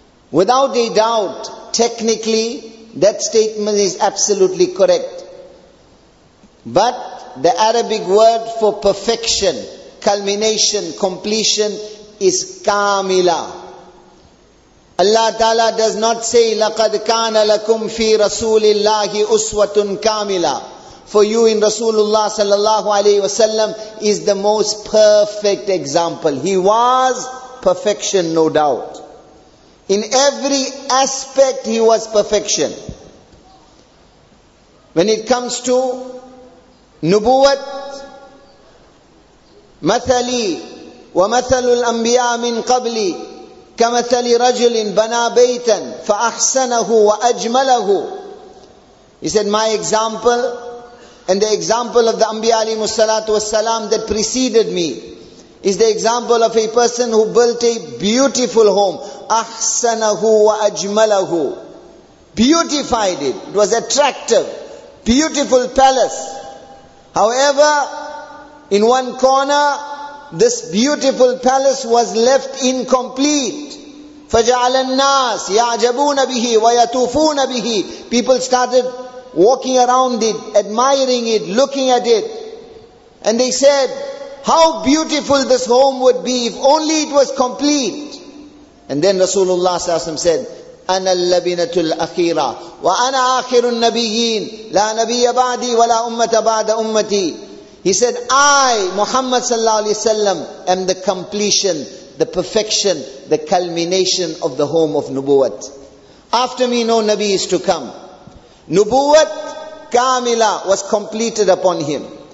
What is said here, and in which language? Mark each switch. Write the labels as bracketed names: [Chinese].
[English] Without a doubt, technically, that statement is absolutely correct. But the Arabic word for perfection, culmination, completion is kamila. Allah Ta'ala does not say, [Arabic] لَقَدْ كَانَ لَكُمْ فِي رَسُولِ اللَّهِ أُسْوَةٌ كَامِلًا. [English] For you in Rasulullah sallallahu alayhi wasallam is the most perfect example. He was perfection, no doubt. In every aspect he was perfection. When it comes to [Arabic] nubuwat, مَثَلِي وَمَثَلُ الْأَنْبِيَاء مِنْ قَبْلِي كمثل رجل بنى بيتا فأحسنه وأجمله. [English] He said, my example and the example of the Anbiya alayhi salatu wasalam that preceded me is the example of a person who built a beautiful home. [Arabic] أحسنه وأجمله. [English] Beautified it. It was attractive. Beautiful palace. However, in one corner, this beautiful palace was left incomplete. [Arabic] فَجَعَلَ النَّاسِ يَعْجَبُونَ بِهِ وَيَتُوفُونَ بِهِ. [English] People started walking around it, admiring it, looking at it. And they said, how beautiful this home would be if only it was complete. And then Rasulullah sallallahu alaihi wasallam said, [Arabic] أَنَا اللَّبِنَةُ الْأَخِيرَةُ وَأَنَا آخِرُ النَّبِيِّينَ لَا نَبِيَّ بَعْدِي وَلَا أُمَّةَ بَعْدَ أُمَّتِي. [English] He said, I, Muhammad sallallahu alaihi wasallam, am the completion, the perfection, the culmination of the home of Nubuwat. After me, no Nabi is to come. Nubuwat Kamila was completed upon him.